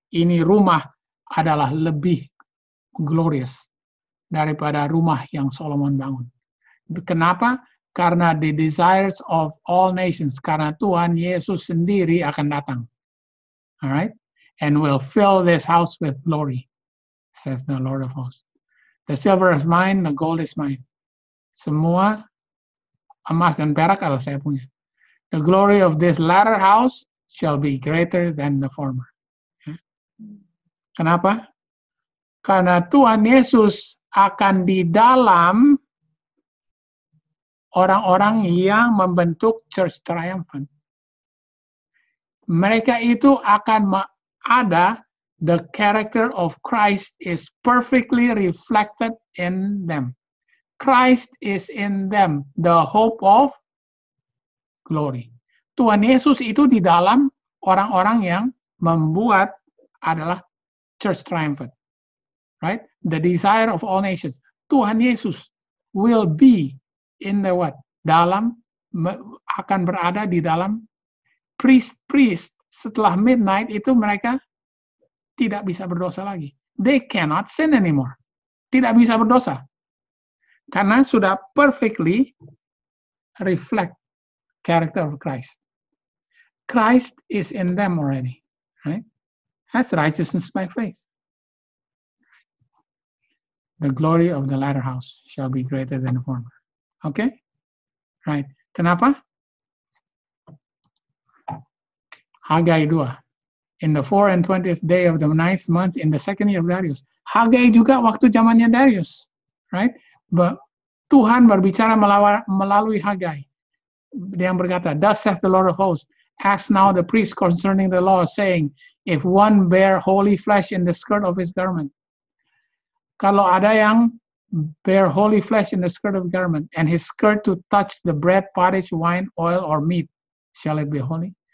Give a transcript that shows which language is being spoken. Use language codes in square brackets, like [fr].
[id] Ini rumah adalah lebih glorious daripada rumah yang Solomon bangun. Kenapa? Karena [en] the desires of all nations, [id] karena Tuhan Yesus sendiri akan datang. Alright? [en] And will fill this house with glory, says the Lord of hosts. The silver is mine, the gold is mine. [id] Semua emas dan perak adalah saya punya. [en] The glory of this latter house shall be greater than the former. [id] Kenapa? Karena Tuhan Yesus akan di dalam orang-orang yang membentuk Church Triumphant. Mereka itu akan ada, [en] the character of Christ is perfectly reflected in them. Christ is in them, the hope of glory. [id] Tuhan Yesus itu di dalam orang-orang yang membuat adalah Church Triumphant. Right? [en] The desire of all nations. [id] Tuhan Yesus [en] will be in the what? [id] Dalam, akan berada di dalam priest-priest. Setelah midnight itu mereka tidak bisa berdosa lagi. [en] They cannot sin anymore. [id] Tidak bisa berdosa. Karena sudah [en] perfectly reflect character of Christ. Christ is in them already. Right? That's righteousness by faith. The glory of the latter house shall be greater than the former. Okay? Right. Kenapa? Haggai 2. In the 24th day of the 9th month in the second year of Darius. [id] Haggai juga waktu zamannya Darius. [en] Right? But [id] Tuhan berbicara melalui Haggai. Dia yang berkata, [en] thus saith the Lord of hosts, ask now the priest concerning the law, saying, if one bear holy flesh in the skirt of his garment, [id] kalau ada yang [en] bear holy flesh in the skirt of garment, and his skirt to touch the bread, pottage, wine, oil, or meat, shall it be holy?